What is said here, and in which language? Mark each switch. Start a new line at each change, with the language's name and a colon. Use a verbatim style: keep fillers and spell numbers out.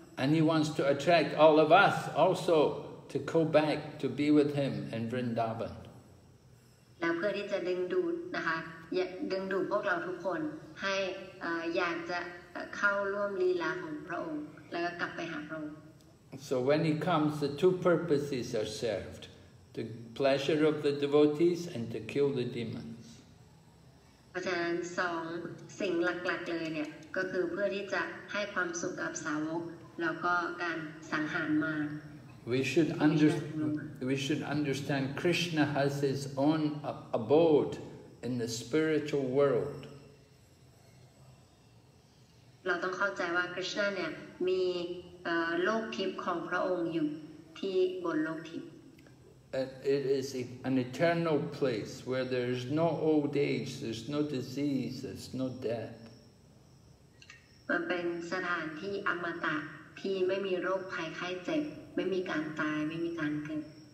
English: And he wants to attract all of us also to go back to be with him in Vrindavan.
Thai: แล้วเพื่อที่จะดึงดูดนะคะดึงดูดพวกเราทุกคนให้อยากจะเข้าร่วมลีลาของพระองค์แล้วก็กลับไปหาพระองค์
English: So when he comes, the two purposes are served. The pleasure of the devotees and to kill the demons.
Thai: เพราะฉะนั้นสองสิ่งหลักๆเลยเนี่ยก็คือเพื่อที่จะให้ความสุขกับสาวกแล้วก็การสังหารมาร
English: We should understand. We should understand Krishna has his own abode in the spiritual world.
Thai: เราต้องเข้าใจว่าคริชนาเนี่ยมีโลกทิพย์ของพระองค์อยู่ที่บนโลกทิพย์
English: It is an eternal place where there is no old age, there is no disease, there is no death.
Thai: มันเป็นสถานที่อมตะที่ไม่มีโรคภัยไข้เจ็บไม่มีการตายไม่มีการเกิด